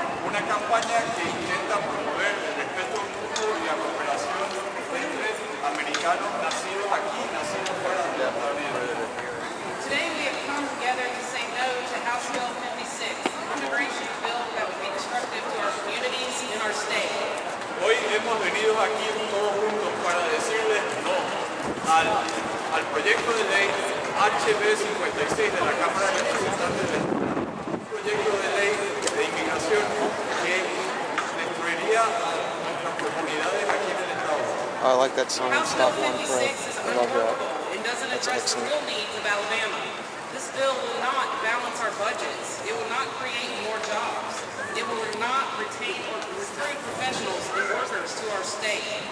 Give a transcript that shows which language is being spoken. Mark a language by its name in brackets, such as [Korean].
[Spanish] Una campaña que intenta promover el respeto mutuo y la cooperación entre americanos nacidos aquí, nacidos fuera de la Unión. [English] Today we have come together to say no to House Bill 56, an immigration bill that would be destructive to our communities and our state. [Spanish] Hoy hemos venido aquí todos juntos para decirles no al proyecto de ley HB 56 de la Cámara de Representantes del Estado. Proyecto de ley de inmigración que destruiría nuestras comunidades aquí en el estado. [English] I like that song, Stop One Pray. I love that. And doesn't address the real needs of Alabama. This bill will not balance our budgets. It will not create more jobs. It will not retain or recruit professionals and workers to our state.